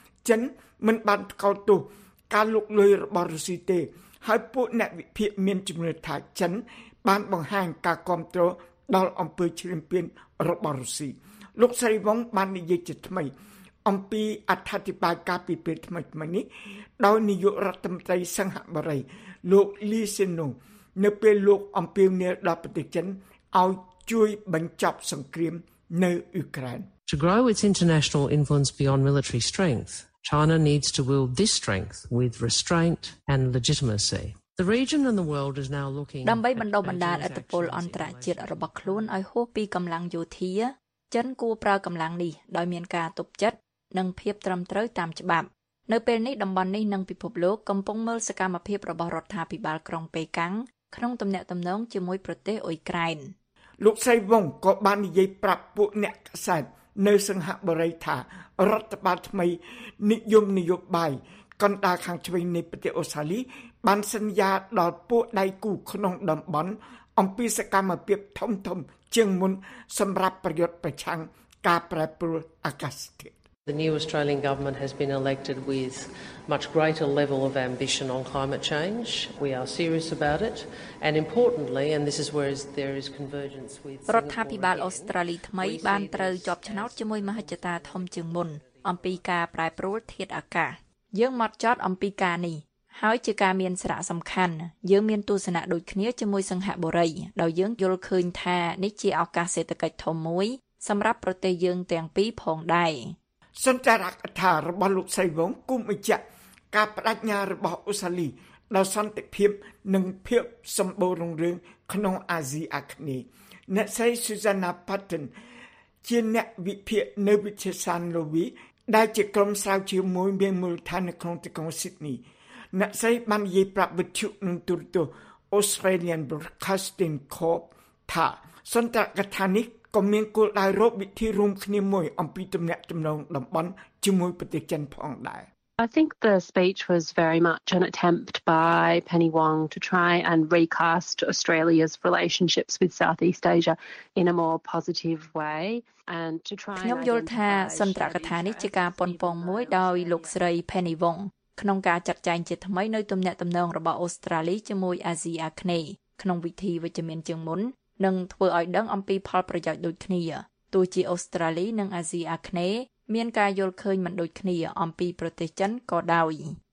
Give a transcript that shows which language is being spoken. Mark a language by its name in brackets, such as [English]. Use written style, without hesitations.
[Khmer] ចិនមិនបានថ្កោលទោសការលុកលុយរបស់រុស្ស៊ីទេហើយពួកអ្នកវិភាគមានជំនឿថាចិនបានបង្ហាញការគាំទ្រដល់អំពើឈ្លានពានរបស់រុស្ស៊ីលោកស្រីវងបាននិយាយជាថ្មីអំពីអធិបាយការពីពេលថ្មីៗនេះដោយនាយករដ្ឋមន្ត្រីសិង្ហបុរីលោកលីសិននុងនៅពេលលោកអំពាវនាវដល់ប្រទេសចិនឲ្យជួយបញ្ចប់សង្គ្រាមនៅអ៊ុយក្រែន [English] To grow its international influence beyond military strength, China needs to wield this strength with restraint and legitimacy. The region and the world is now looking [Khmer] ដើម្បីបណ្ដុះបណ្ដាលឥទ្ធិពលអន្តរជាតិរបស់ខ្លួនឲ្យហួសពីកម្លាំងយោធាចិនគួរប្រើកម្លាំងនេះដោយមានការទប់ចិត្តនិងភាពត្រឹមត្រូវតាមច្បាប់នៅពេលនេះតំបន់នេះនិងពិភពលោកកំពុងមើលសកម្មភាពរបស់រដ្ឋាភិបាលក្រុងប៉េកាំងក្នុងទំនាក់ទំនងជាមួយប្រទេសអ៊ុយក្រែន លោកសៃវងក៏បាននិយាយប្រាប់ពួកអ្នកកសែតនៅសង្ហបុរីថារដ្ឋបាលថ្មីនិយមនយោបាយកណ្ដាលខាងឆ្វេងនៃប្រទេសអូស្ត្រាលីបានសន្យាដល់ពួកដៃគូក្នុងតំបន់អំពីសកម្មភាពធំធំជាងមុនសម្រាប់ប្រយុទ្ធប្រឆាំងការប្រែប្រួលអាកាសធាតុ [English] The new Australian government has been elected with much greater level of ambition on climate change. We are serious about it. And importantly, and this is where there is convergence with [Khmer] រដ្ឋាភិបាលអូស្ត្រាលីថ្មីបានត្រូវជាប់ឆ្នោតជាមួយមហិច្ឆតាធំជាងមុនអំពីការប្រែប្រួលធាតុអាកាសយើងមកចោតអំពីការនេះហើយជាការមានសារៈសំខាន់យើងមានទស្សនៈដូចគ្នាជាមួយសង្ហបុរីដោយយើងយល់ឃើញថានេះជាឱកាសសេដ្ឋកិច្ចធំមួយសម្រាប់ប្រទេសយើងទាំងពីរផងដែរ សន្តរកថារបស់លោកសៃវងគុំបញ្ជាក់ការបដិញ្ញារបស់អូសាលីដល់សន្តិភាពនិងភាពសម្បូររុងរឿងក្នុងអាស៊ីអាគ្នេយ៍អ្នកស្រីស៊ូសាណាប៉ាតិនជាអ្នកវិភាគនៅវិទ្យាសាស្ត្រលូវីដែលជាក្រុមស្រាវជ្រាវមួយមានមូលដ្ឋាននៅក្នុងទីក្រុងស៊ីដនីអ្នកស្រីបាននិយាយប្រាប់វិទ្យុនឹងទូរទស្សន៍ Australian Broadcasting Corp ថាសន្តរកថានេះ ក៏មានគោលដៅរកវិធីរួមគ្នាមួយអំពីទំនាក់ទំនងតំបន់ជាមួយប្រទេសចិនផងដែរ [English] I think the speech was very much an attempt by Penny Wong to try and recast Australia's relationships with Southeast Asia in a more positive way. [Khmer] ខ្ញុំយល់ថាសន្ទរកថានេះជាការប៉ុនប៉ងមួយដោយលោកស្រី Penny Wong ក្នុងការចាត់ចែងជាថ្មីនៅទំនាក់ទំនងរបស់អូស្ត្រាលីជាមួយអាស៊ីអាគ្នេយ៍ក្នុងវិធីវិជ្ជមានជាងមុននិងធ្វើឲ្យដឹងអំពីផលប្រយោជន៍ដូចគ្នាទោះជាអូស្ត្រាលីនិងអាស៊ីអាគ្នេយ៍មានការយល់ឃើញមិនដូចគ្នាអំពីប្រទេសចិនក៏ដោយ